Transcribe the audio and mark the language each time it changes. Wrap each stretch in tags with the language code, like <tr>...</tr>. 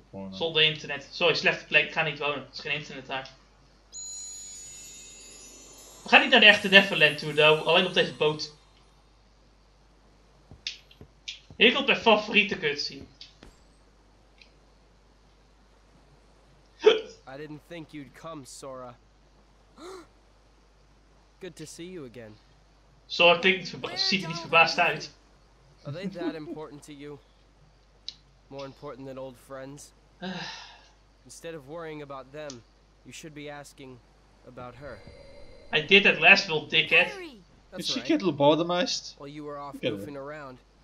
<nl>Zonder internet. Sorry, slechte plek. Ik ga niet wonen. Er is geen internet daar. We gaan niet naar de echte Neverland toe, though. Alleen op deze boot. Hier komt mijn favoriete cutscene.</nl> <en>I didn't think you'd come, Sora. Good to see you again.</en> <nl>Sora ziet er niet verbaasd uit.</nl> <en>Are they that important to you? More important than old friends? Instead of worrying about them, you should be asking about her. I did that last little dickhead. Did she get lobotomized? While you were off goofing around.</en>